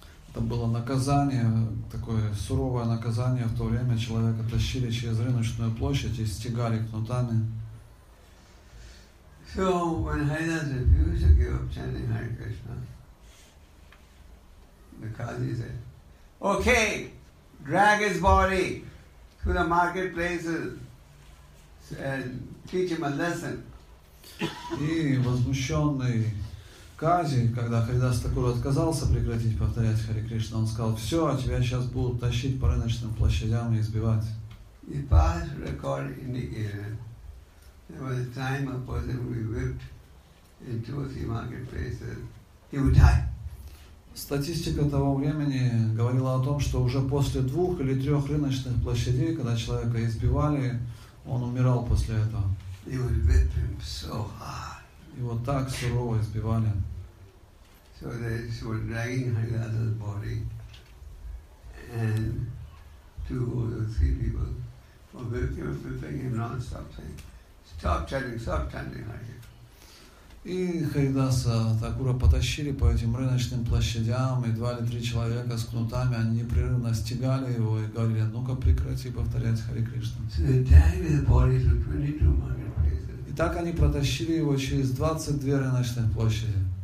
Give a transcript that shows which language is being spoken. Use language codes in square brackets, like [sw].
[ru] Это было наказание, такое суровое наказание в то время. Человека тащили через рыночную площадь и стегали кнутами. [en] So when Haridas refused to give up chanting Hare Krishna, the Qazi said, okay, drag his body to the marketplaces and teach him a lesson. [ru] И возмущенный Кази, когда Харидас Такур отказался прекратить повторять Харе Кришна, он сказал, все, тебя сейчас будут тащить по рыночным площадям и избивать. [en] The past record indicated There was a time a person would be whipped in two or three marketplaces. He would die. [ru] Статистика того времени говорила о том, что уже после двух или трех рыночных площадей, когда человека избивали, он умирал после этого. [en] He would whip him so hard. [ru] И вот так сурово избивали. [en] So they were dragging Haridasa's body, and two or three people were whipping him non-stop, saying, "Stop chanting, stop chanting, Haridasa." [ru] И Харидаса Такура потащили по этим рыночным площадям, и два или три человека с кнутами, они непрерывно стегали его и говорили, ну-ка прекрати повторять Хари Кришна. И так они протащили его через 22 рыночных площади.